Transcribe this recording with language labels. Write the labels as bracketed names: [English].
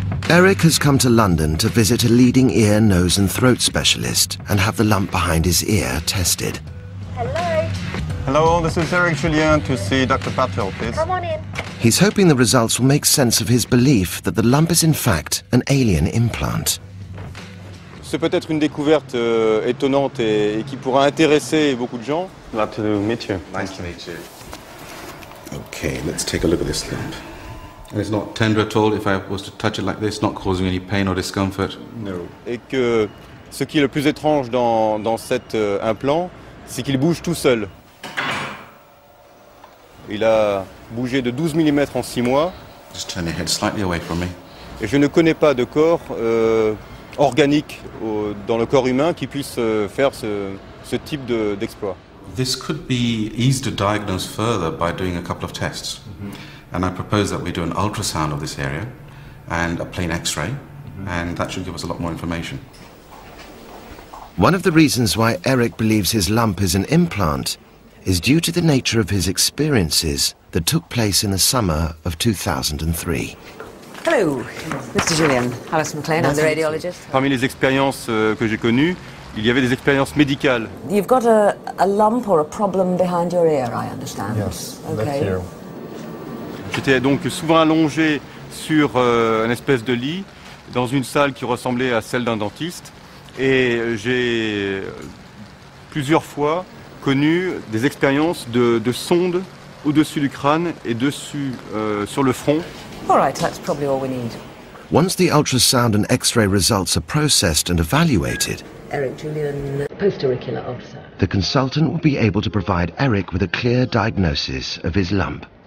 [English] Eric has come to London to visit a leading ear, nose and throat specialist and have the lump behind his ear tested. Hello. Hello, this is Eric Julien to see Dr. Patel, please. Come on in. He's hoping the results will make sense of his belief that the lump is in fact an alien implant. [French] C'est peut-être une découverte étonnante et qui pourra intéresser beaucoup de gens. [English] Glad to meet you. Nice to meet you. Okay, let's take a look at this lump. And it's not tender at all if I was to touch it like this, not causing any pain or discomfort. No. [French] Et que ce qui est le plus étrange dans cet implant, c'est qu'il bouge tout seul. Il a bougé de 12 mm en 6 mois. [English] Just turn your head slightly away from me. [French] Et je ne connais pas de corps organique dans le corps humain qui puisse faire ce type d'exploit. [English] This could be easy to diagnose further by doing a couple of tests. Mm-hmm. And I propose that we do an ultrasound of this area and a plain x-ray. Mm-hmm. And that should give us a lot more information. One of the reasons why Eric believes his lump is an implant is due to the nature of his experiences that took place in the summer of 2003. Hello, Mr. Julien. Alice McLean, I'm the radiologist. [French] Parmi les expériences que j'ai connues, il y avait des expériences médicales. [English] You've got a lump or a problem behind your ear, I understand. Yes, okay. Left ear. [French] J'étais donc souvent allongé sur une espèce de lit dans une salle qui ressemblait à celle d'un dentiste. Et j'ai plusieurs fois connu des expériences de sondes au-dessus du crâne et dessus sur le front. [English] All right, that's probably all we need. Once the ultrasound and X-ray results are processed and evaluated, Eric Julian, post-auricular ulcer. The consultant will be able to provide Eric with a clear diagnosis of his lump.